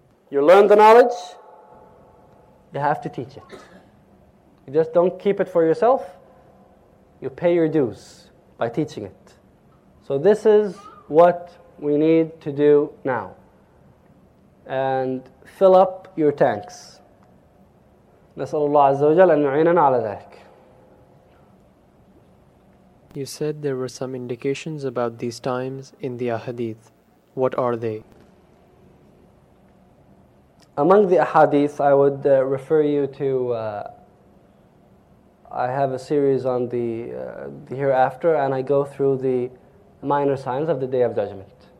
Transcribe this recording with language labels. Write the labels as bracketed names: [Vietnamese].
[English] You learn the knowledge, you have to teach it. You just don't keep it for yourself. You pay your dues by teaching it. So this is what we need to do now. And fill up your tanks. [Arabic] نسأل الله عز وجل أن يعيننا على ذلك. [English] You said there were some indications about these times in the ahadith. What are they? Among the ahadith, I would refer you to... I have a series on the hereafter, and I go through the minor signs of the Day of Judgment.